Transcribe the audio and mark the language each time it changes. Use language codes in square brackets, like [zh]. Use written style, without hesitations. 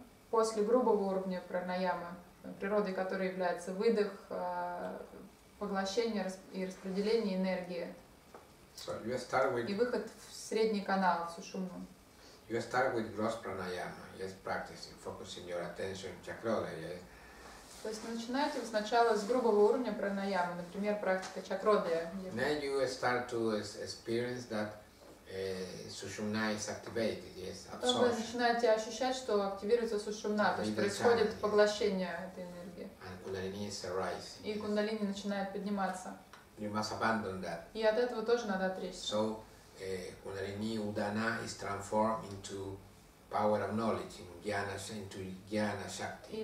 [ru] после грубого уровня пранаямы, природы которой является выдох, поглощение и распределение энергии, и выход в средний канал, в сушумну. [en] You start with gross pranayama, yes, practicing, focusing your attention on chakra, yes. [ru] То есть начинаете сначала с грубого уровня пранаямы, например, практика чакродхи. [en] Then you start to experience that сушумна is activated, yes, absorption. [ru] Потом вы начинаете ощущать, что активируется сушумна, то есть происходит поглощение этой энергии. [en] And kundalini is arising. [ru] И кундалини начинает подниматься. [en] You must abandon that. [ru] И от этого тоже надо отречься. [en] So kundalini udana is transformed into power of knowledge in jnana, into jnana shakti.